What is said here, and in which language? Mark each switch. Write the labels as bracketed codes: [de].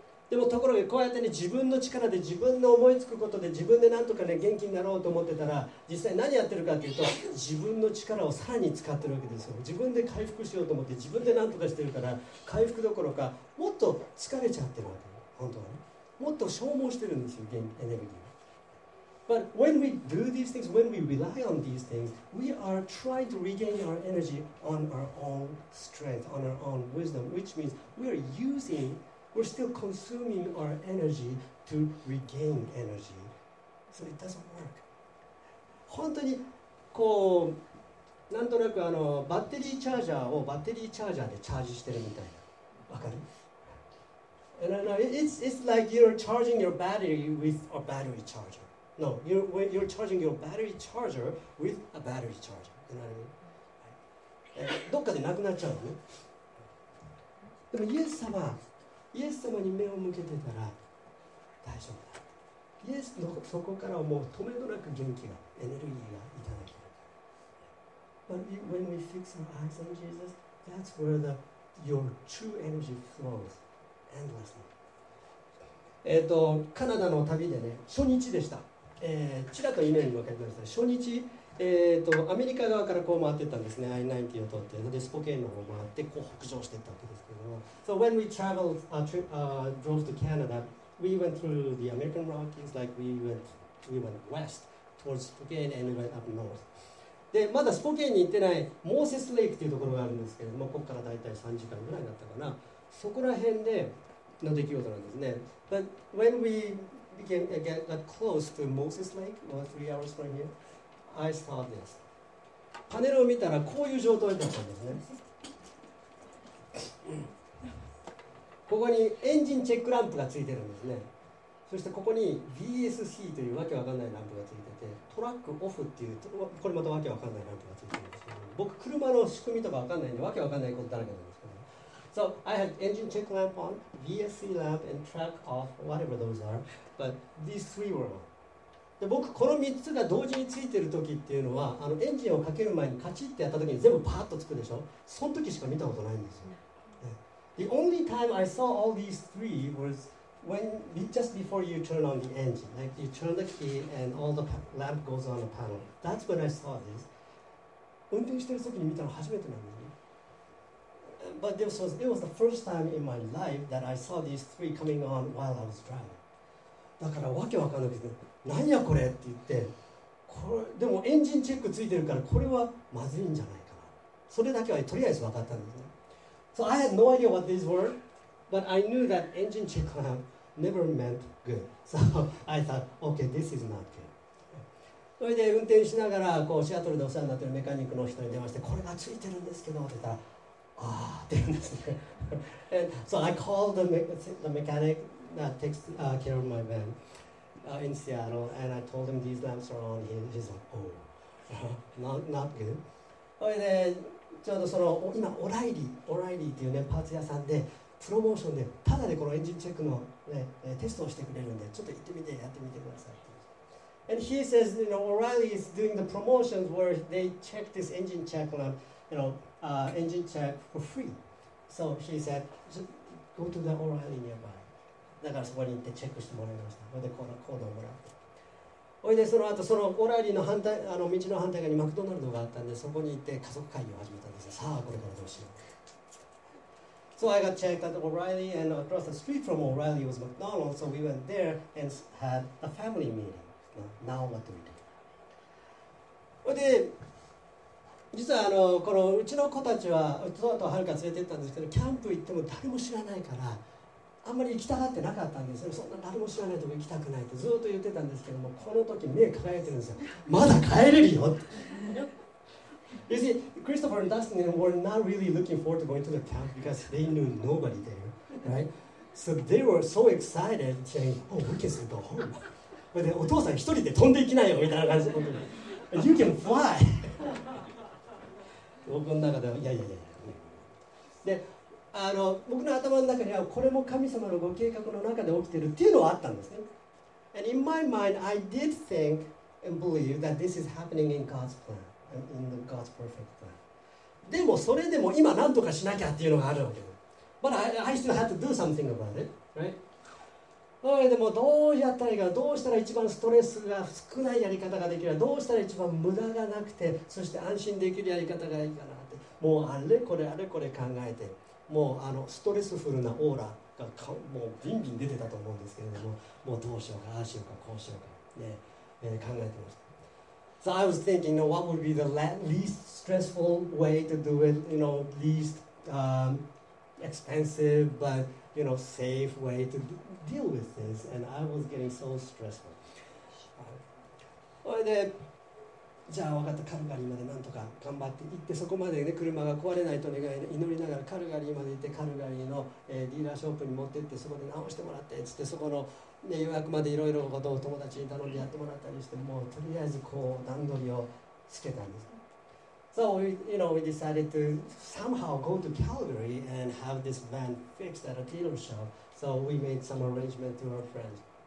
[ja] でもところがこうやってね、自分の力で自分の思いつくことで自分でなんとかね元気になろうと思ってたら、実際何やってるかというと、自分の力をさらに使ってるわけですよ。自分で回復しようと思って自分でなんとかしてるから、回復どころかもっと疲れちゃってるわけ。本当はね、もっと消耗してるんですよ、エネルギー。 [en] But when we do these things, when we rely on these things, we are trying to regain our energy on our own strength, on our own wisdom, which means we are using, we're still consuming our energy to regain energy. So it doesn't work. [ja] 本当にこう、なんとなくあのバッテリーチャージャーをバッテリーチャージャーでチャージしてるみたいな。わかる? [en] And I know, it's like you're charging your battery with a battery charger. No, you're charging your battery charger with a battery charger. You know what I mean? [ja] どっかでなくなっちゃうのね。でもイエス様に目を向けてたら大丈夫だ。イエスのそこからもう止めどなく元気が、エネルギーがいただける。 [en] But when we fix our eyes on Jesus, that's where your true energy flows endlessly. [ja] カナダの旅でね、初日でした。チラッとイメージも分かりました。初日、アメリカ側からこう回っていったんですね。 I-90 を通ってでスポケーンの方を回ってこう北上していったわけですけども、 [en] So when we traveled, drove to Canada, we went through the American Rockies, like we went west towards Spokane and went up north. [ja] でまだスポケーンに行ってないモーセスレイクというところがあるんですけれども、ここからだいたい3時間ぐらいだったかな、そこら辺での出来事なんですね。 [en] But when weGot close to Moses Lake, about 3 hours from here. I saw this. [ja] パネルを見たらこういう状態だったんですね。ここにエンジンチェックランプがついてるんですね。そしてここに VSC というわけわかんないランプがついてて、トラックオフっていう、これまたわけわかんないランプがついてるんですけど、僕車の仕組みとかわかんないんで、わけわかんないことだらけなんですけど。 [en] So I had engine check lamp on, VSC lamp and track off, whatever those are, but these three were on. [ja] で僕この3つが同時についてる時っていうのは、あのエンジンをかける前にカチッってやった時に全部パーッとつくでしょ。その時しか見たことないんですよ。 [en] The only time I saw all these three was when just before you turn on the engine, like you turn the key and all the lamp goes on the panel. That's when I saw this. [ja] 運転してる時に見たの初めてなんですね。 [en] but this was, it was the first time in my life that I saw these three coming on while I was driving. [ja] だからわけわかんなくて、何やこれって言って、これでもエンジンチェックついてるからこれはまずいんじゃないかな。それだけはとりあえずわかったんですね。 [en] So I had no idea what these were, but I knew that engine check on them never meant good. So I thought, okay, this is not good. [ja] それで運転しながらこうシアトルでお世話になっているメカニックの人に電話して、これがついてるんですけどって言ったら、ああって言うんですね。 [en] So I called the mechanic that takes care of my van in Seattle, and I told him these lamps are on. He's like, oh, not good. [ja] それでちょうどその今オライリーっていうねパーツ屋さんでプロモーションでただでこのエンジンチェックの、ね、テストをしてくれるんで、ちょっと行ってみてやってみてください。 [en] And he says, you know, O'Reilly is doing the promotions where they check this engine check lamp, you know, engine check for free. So he said, go to the O'Reilly nearby. [ja] だからそこに行ってチェックしてもらいました。それでコードをもらって。おいでその後、その O'Reilly の反対、あの道の反対側にマクドナルドがあったんで、そこに行って家族会議を始めたんですよ。さあ、これからどうしよう。 [en] So I got checked at O'Reilly, and across the street from O'Reilly was McDonald's, so we went there and had a family meeting. Now what do we do? [ja] で実はあのこのうちの子たちはトトとはるか連れて行ったんですけど、キャンプ行っても誰も知らないからあんまり行きたがってなかったんですよ。そんな誰も知らないとこ行きたくないとずっと言ってたんですけども、この時目輝いてるんですよ。まだ帰れるよ。 [en] You see, Christopher and Dustin were not really looking forward to going to the camp because they knew nobody there, right? So they were so excited saying, oh, we can go home. [ja] でお父さん一人で飛んでいきないよみたいな感じで、 [en] You can fly! [ja] 僕の中では、いや、ね、で、あの僕の頭の中にはこれも神様のご計画の中で起きてるっていうのはあったんですね。 [en] And in my mind, I did think and believe that this is happening in God's plan, in the God's perfect plan. [ja] でもそれでも今なんとかしなきゃっていうのがあるわけ。 [en] But I still have to do something about it, right? [ja] でもどうやったらいいか、どうしたら一番ストレスが少ないやり方ができるか、どうしたら一番無駄がなくてそして安心できるやり方がいいかなって、もうあれこれあれこれ考えて、もうあのストレスフルなオーラがもうビンビン出てたと思うんですけれども、もうどうしようか、ああしようか、こうしようか、ね、考えてました。 [en] So I was thinking, you know, what would be the least stressful way to do it, you know, least expensive butYou know, safe way to deal with this, and I was getting so stressful. [ja] それで、じゃあ分かった、カルガリーまでなんとか頑張って行って、そこまでね、車が壊れないと願い、祈りながらカルガリーまで行って、カルガリーの、ディーラーショップに持って行って、そこで直してもらって、つって、そこの、ね、予約までいろいろことを友達に頼んでやってもらったりして、もうとりあえずこう段取りをつけたんです。 [en] So we, you know, we decided to somehow go to Calgary and have this van fixed at a dealership. So we made some arrangement to our friends.